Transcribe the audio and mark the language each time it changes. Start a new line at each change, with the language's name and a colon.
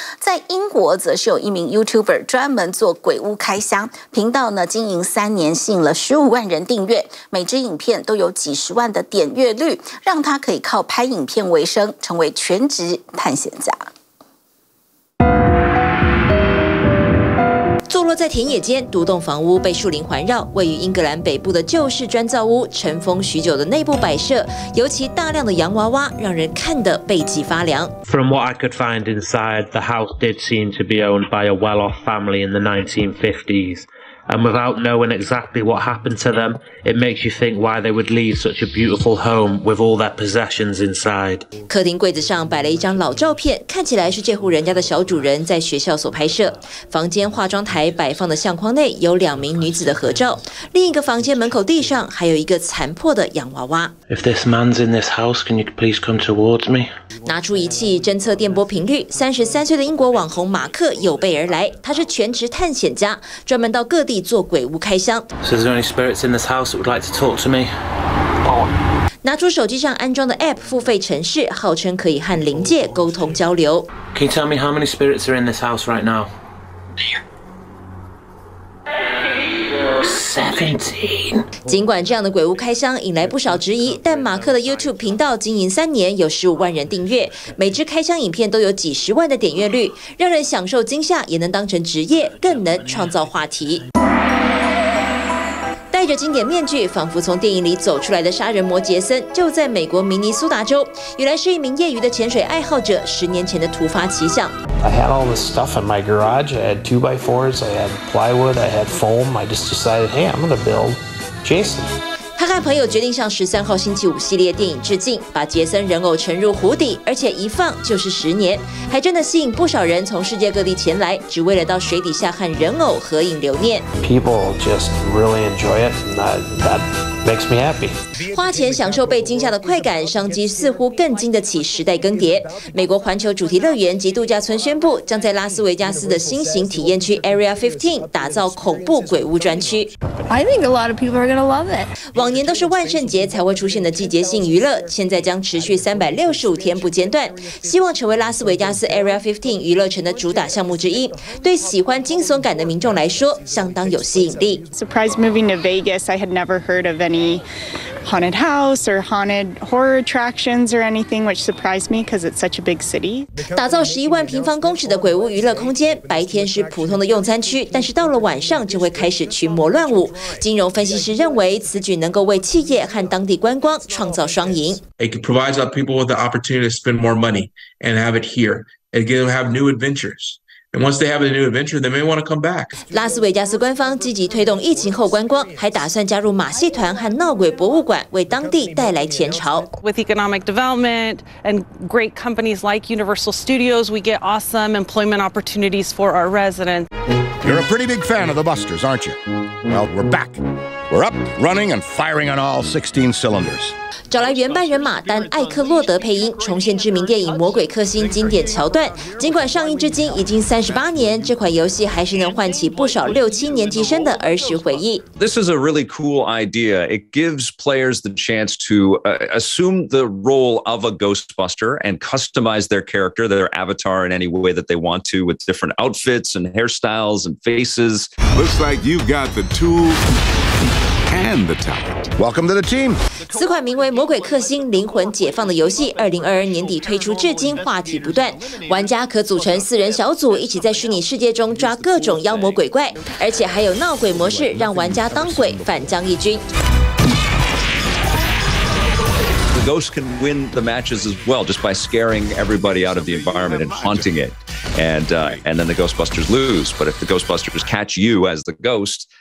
Chinese: 在英国则是有一名 YouTuber 专门做鬼屋开箱，频道呢经营3年吸引了15万人订阅，每支影片都有几10万的点阅率，让他可以靠拍影片为生，成为全职探险家。坐落在田野间，独栋房屋被树林环绕，位于英格兰北部的旧式砖造屋，尘封许久的内部摆设，尤其大量的洋娃娃，让人看得背脊发凉。
English: From what I could find inside, the house did seem to be owned by a well-off family in the 1950s. And without knowing exactly what happened to them, it makes you think why they would leave such a beautiful home with all their possessions inside.
Chinese: 客厅柜子上摆了一张老照片，看起来是这户人家的小主人在学校所拍摄。房间化妆台摆放的相框内有2名女子的合照。另一个房间门口地上还有一个残破的洋娃娃。
English: If this man's in this house, can you please come towards me?
Chinese: 拿出仪器侦测电波频率，33岁的英国网红马克有备而来。他是全职探险家，专门到各地做鬼屋开箱。
English: So, is there any spirits in this house that would like to talk to me? Oh.
Chinese: 拿出手机上安装的 App 付费程式，号称可以和灵界沟通交流。
English: Can you tell me how many spirits are in this house right now? 17.
Chinese: 尽管这样的鬼屋开箱引来不少质疑，但马克的 YouTube 频道经营3年，有15万人订阅，每支开箱影片都有几10万的点阅率，让人享受惊吓也能当成职业，更能创造话题。戴着经典面具，仿佛从电影里走出来的杀人魔杰森，就在美国明尼苏达州。原来是一名业余的潜水爱好者10年前的突发奇想。
English: I had all the stuff in my garage. I had 2x4s. I had plywood. I had foam. I just decided, hey, I'm gonna build Jason.
Chinese: 他和朋友决定向13号星期五系列电影致敬，把杰森人偶沉入湖底，而且一放就是10年，还真的吸引不少人从世界各地前来，只为了到水底下和人偶合影留念。
English: People just really enjoy it, and that makes me happy.
Chinese: 花钱享受被惊吓的快感，商机似乎更经得起时代更迭。美国环球主题乐园及度假村宣布，将在拉斯维加斯的新型体验区 Area 15打造恐怖鬼屋专区。
English: I think a lot of people are going to love it.
Chinese: 往年都是万圣节才会出现的季节性娱乐，现在将持续365天不间断，希望成为拉斯维加斯 Area 15娱乐城的主打项目之一。对喜欢惊悚感的民众来说，相当有吸引力。
English: Surprise moving to Vegas, I had never heard of any haunted house or haunted horror attractions or anything, which surprised me because it's such a big city.
Chinese: 打造11万平方公尺的鬼屋娱乐空间，白天是普通的用餐区，但是到了晚上就会开始群魔乱舞。金融分析师认为，此举能够为企业和当地观光创造双赢。
English: It provides our people with the opportunity to spend more money and have it here. It gives them have new adventures. And once they have a new adventure, they may want to come back.
Chinese: 拉斯维加斯官方积极推动疫情后观光，还打算加入马戏团和闹鬼博物馆，为当地带来前潮。
English: With economic development and great companies like Universal Studios, we get awesome employment opportunities for our residents. You're a pretty big fan of the Busters, aren't you? Well, we're back. We're up, running, and firing on all 16 cylinders.
Chinese: 找来原班人马，但艾克洛德配音，重现知名电影《魔鬼克星》经典桥段。尽管上映至今已经38年，这款游戏还是能唤起不少6、7年级生的儿时回忆。
English: This is a really cool idea. It gives players the chance to assume the role of a Ghostbuster and customize their character, their avatar, in any way that they want to, with different outfits and hairstyles and faces. Looks like you've got the tools. And the talent. Welcome to the team.
Chinese: 此款名为《魔鬼克星：灵魂解放》的游戏，2022年底推出，至今话题不断。玩家可组成4人小组，一起在虚拟世界中抓各种妖魔鬼怪，而且还有闹鬼模式，让玩家当鬼反将一军。
English: The ghost can win the matches as well, just by scaring everybody out of the environment and haunting it, and then the Ghostbusters lose. But if the Ghostbusters catch you as the ghost.